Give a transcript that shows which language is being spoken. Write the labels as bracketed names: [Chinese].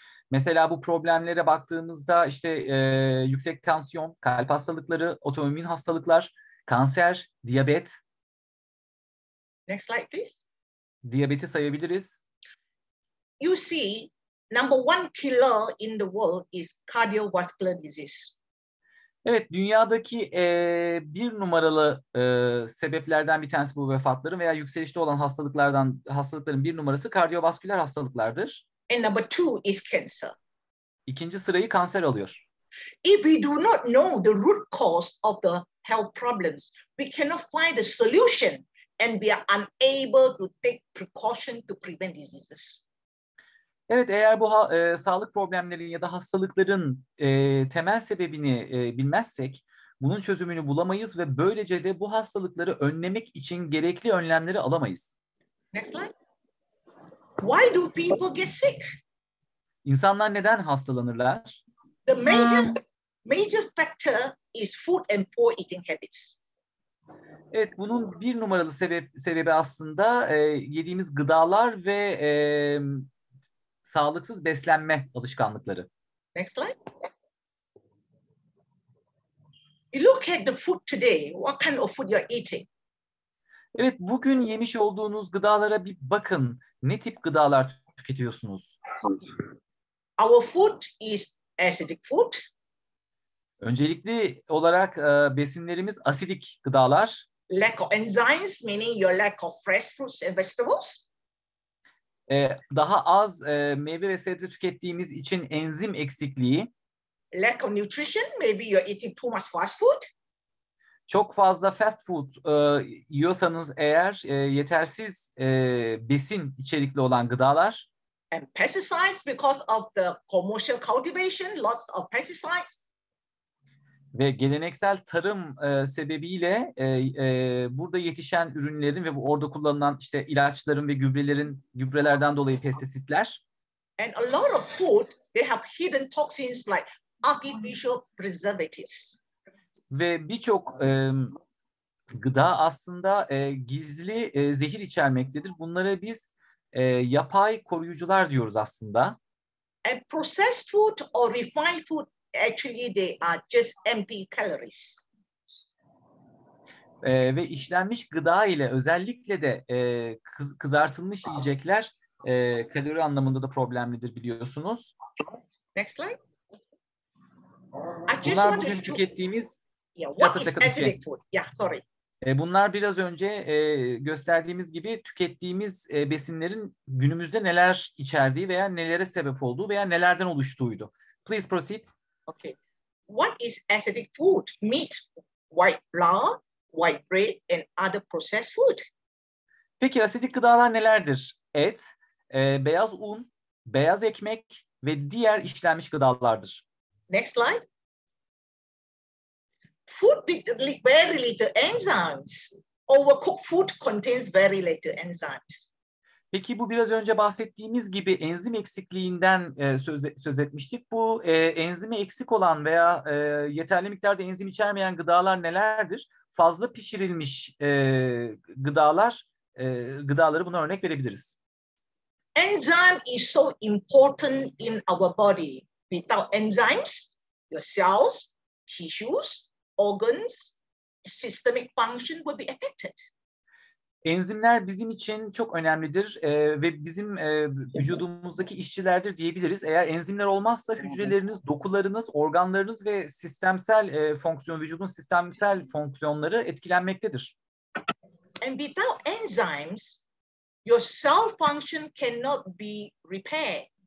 [Turkish] Mesela bu problemlere baktığımızda işte yüksek tansiyon, kalp hastalıkları, otoimmün hastalıklar, kanser, diyabet. [English] Next slide please. [Turkish] Diyabeti sayabiliriz. [English] You see, number one killer in the world is cardiovascular disease. [Turkish] Evet, dünyadaki bir numaralı sebeplerden bir tanesi bu vefatların veya yükselişte olan hastalıkların bir numarası kardiyovasküler hastalıklardır. [English] And number two is cancer. [Turkish] İkinci sırayı kanser alıyor. [English] If we do not know the root cause of the health problems, we cannot find the solution and we are unable to take precaution to prevent diseases. [Turkish] Evet, eğer bu sağlık problemlerin ya da hastalıkların temel sebebini bilmezsek, bunun çözümünü bulamayız ve böylece de bu hastalıkları önlemek için gerekli önlemleri alamayız. [English] Next slide. Why do people get sick? [Turkish] İnsanlar neden hastalanırlar? [English] The major factor is food and poor eating habits. [Turkish] Evet, bunun bir numaralı sebebi aslında yediğimiz gıdalar ve sağlıksız beslenme alışkanlıkları. [English] Next slide. You look at the food today. What kind of food you're eating? [Turkish] Evet, bugün yemiş olduğunuz gıdalara bir bakın. Ne tip gıdalar tüketiyorsunuz? [English] Our food is acidic food. [Turkish] Öncelikli olarak besinlerimiz asidik gıdalar. [English] Lack of enzymes, meaning your lack of fresh fruits and vegetables. [Turkish] Daha az meyve ve sebze tükettiğimiz için enzim eksikliği. [English] Lack of nutrition, maybe you're eating too much fast food. [Turkish] Çok fazla fast food yiyorsanız eğer yetersiz besin içerikli olan gıdalar. [English] And pesticides because of the commercial cultivation, lots of pesticides. [Turkish] Ve geleneksel tarım sebebiyle burada yetişen ürünlerin ve orada kullanılan işte ilaçların ve gübrelerden dolayı pestisitler. [English] And a lot of food they have hidden toxins like artificial preservatives. [Turkish] Ve birçok gıda aslında gizli zehir içermektedir. Bunlara biz yapay koruyucular diyoruz aslında. [English] And processed food or refined food actually they are just empty calories. [Turkish] Ve işlenmiş gıda ile özellikle de kızartılmış yiyecekler kalori anlamında da problemlidir biliyorsunuz. [English] Next slide. [Turkish] Bunlar bugün tükettiğimiz yasa sakatı. [English] Yeah, sorry. [Turkish] Bunlar biraz önce gösterdiğimiz gibi tükettiğimiz besinlerin günümüzde neler içerdiği veya nelere sebep olduğu veya nelerden oluştuğuydu. [English] Please proceed. Okay. What is acidic food? Meat, white flour, white bread and other processed food. [Turkish] Peki asidik gıdalar nelerdir? Et, beyaz un, beyaz ekmek ve diğer işlenmiş gıdalardır. [English] Next slide. Food with very little enzymes. Overcooked food contains very little enzymes. [Turkish] Peki bu biraz önce bahsettiğimiz gibi enzim eksikliğinden söz etmiştik. Bu enzimi eksik olan veya yeterli miktarda enzim içermeyen gıdalar nelerdir? Fazla pişirilmiş gıdaları buna örnek verebiliriz. [English] Enzyme is so important in our body. Without enzymes, your cells, tissues, organs, systemic function will be affected. [Turkish] Enzimler bizim için çok önemlidir ve bizim vücudumuzdaki işçilerdir diyebiliriz. Eğer enzimler olmazsa hücreleriniz, dokularınız, organlarınız ve sistemsel fonksiyon, vücudun sistemsel fonksiyonları etkilenmektedir. [English] And without enzymes, your cell function cannot be repaired.